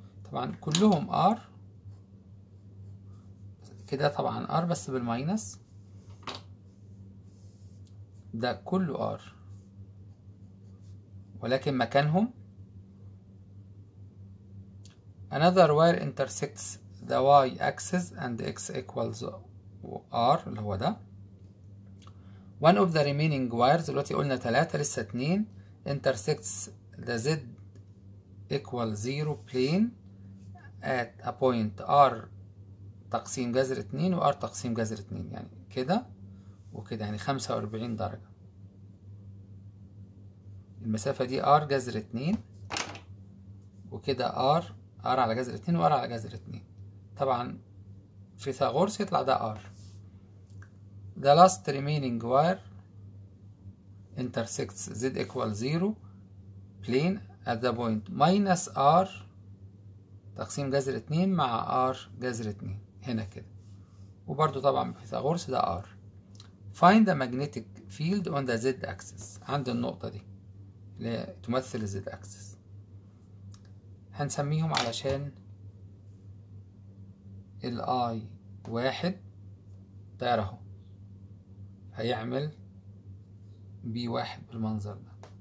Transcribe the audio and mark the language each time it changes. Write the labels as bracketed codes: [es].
[ar] طبعا كلهم R كده، طبعا R بس بالماينس، ده كله R ولكن مكانهم. [en] Another wire intersects the Y axis and X equals R [ar] اللي هو ده. [en] One of the remaining wires [ar] دلوقتي قلنا تلاتة لسه اتنين [en] intersects the Z equal zero plane at a point R [ar] تقسيم جذر اتنين و R تقسيم جذر اتنين، يعني كده وكده، يعني 45 درجة. المسافة دي R جذر اتنين وكده R، R على جذر اتنين و R على جذر اتنين. طبعا فيثاغورس يطلع ده R. [en] The last remaining wire intersects Z equal zero plane at the point minus R [ar] تقسيم جذر اتنين مع R جذر اتنين هنا كده، وبرضو طبعا فيثاغورس ده R. [en] Find the magnetic field on the Z axis [ar] عند النقطة دي لتمثل الـ Z axis، هنسميهم علشان الـ I واحد طير اهو، هيعمل بي واحد بالمنظر ده.